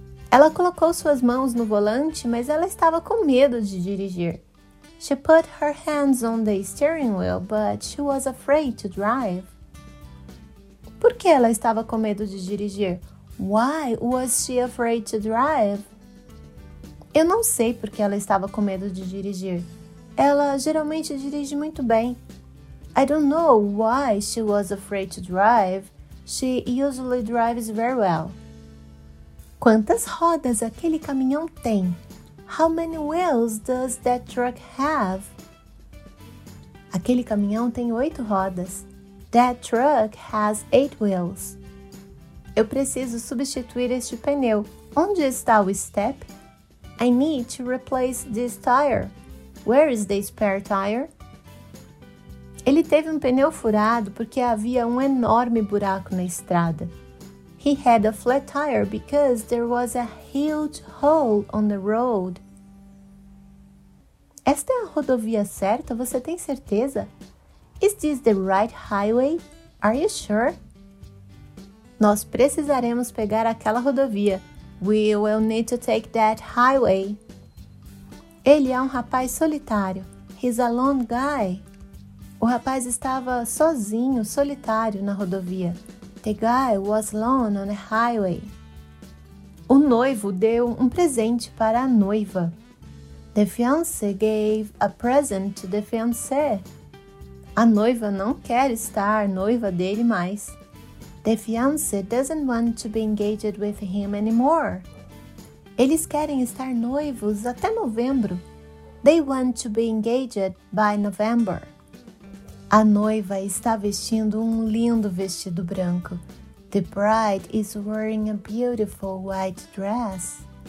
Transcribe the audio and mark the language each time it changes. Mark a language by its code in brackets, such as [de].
[pt] Ela colocou suas mãos no volante, mas ela estava com medo de dirigir. [en] She put her hands on the steering wheel, but she was afraid to drive. [pt] Por que ela estava com medo de dirigir? [en] Why was she afraid to drive? [pt] Eu não sei por que ela estava com medo de dirigir. Ela geralmente dirige muito bem. [en] I don't know why she was afraid to drive. She usually drives very well. [pt] Quantas rodas aquele caminhão tem? [en] How many wheels does that truck have? [pt] Aquele caminhão tem 8 rodas. [en] That truck has 8 wheels. [pt] Eu preciso substituir este pneu. Onde está o step? [en] I need to replace this tire. Where is the spare tire? [pt] Ele teve um pneu furado porque havia um enorme buraco na estrada. [en] He had a flat tire because there was a huge hole on the road. [pt] Esta é a rodovia certa, você tem certeza? [en] Is this the right highway? Are you sure? [pt] Nós precisaremos pegar aquela rodovia. [en] We will need to take that highway. [pt] Ele é um rapaz solitário. [en] He's a lone guy. [pt] O rapaz estava sozinho, solitário na rodovia. [en] The guy was alone on the highway. [pt] O noivo deu um presente para a noiva. [en] The fiancé gave a present to the fiancé. [pt] A noiva não quer estar noiva dele mais. [en] The fiancé doesn't want to be engaged with him anymore. [pt] Eles querem estar noivos até novembro. [en] They want to be engaged by November. [pt] A noiva está vestindo um lindo vestido branco. [en] The bride is wearing a beautiful white dress.